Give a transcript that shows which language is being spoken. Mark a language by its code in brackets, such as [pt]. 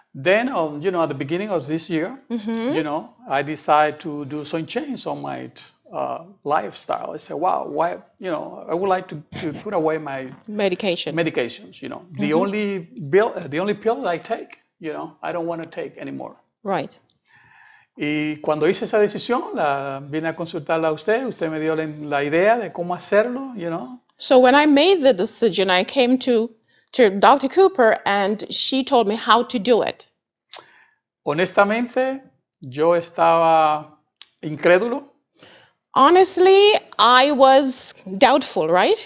[en] Then, you know, at the beginning of this year, mm-hmm. you know, I decided to do some change on my lifestyle. I said, wow, why, you know, I would like to put away my medications, you know. Mm-hmm. The only pill that I take, you know, I don't want to take anymore. Right. [es] Y cuando hice esa decisión, vine a consultarla a usted. Usted me dio la idea de cómo hacerlo, [en] you know. So when I made the decision, I came to Dr. Cooper and she told me how to do it. [es] Honestamente, yo estaba incrédulo. [en] Honestly, I was doubtful, right?